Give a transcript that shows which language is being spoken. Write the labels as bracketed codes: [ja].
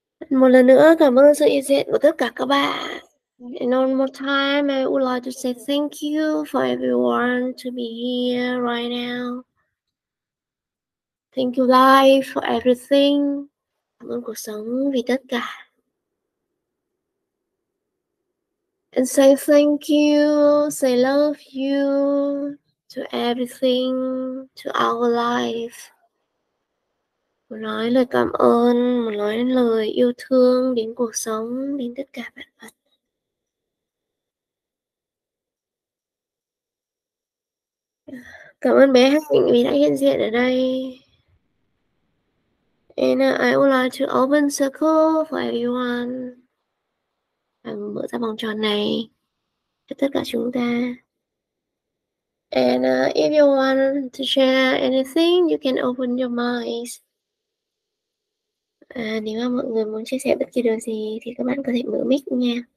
[vi] Một lần nữa, cảm ơn sự hiện diện của tất cả các bạn. [en] And one more time, I would like to say thank you for everyone to be here right now. Thank you, life, for everything. [vi] Cảm ơn cuộc sống vì tất cả. [en] And say thank you, say love you to everything, to our life. [vi] Một nói lời cảm ơn, một nói lời yêu thương đến cuộc sống, đến tất cả bạn bè. Cảm ơn bé Hạnh vì đã hiện diện ở đây. [en] And I would like to open circle for everyone. [vi] Mở ra vòng tròn này cho tất cả chúng ta. [en] And if you want to share anything, you can open your minds. [vi] Nếu mà mọi người muốn chia sẻ bất kỳ điều gì thì các bạn có thể mở mic nha.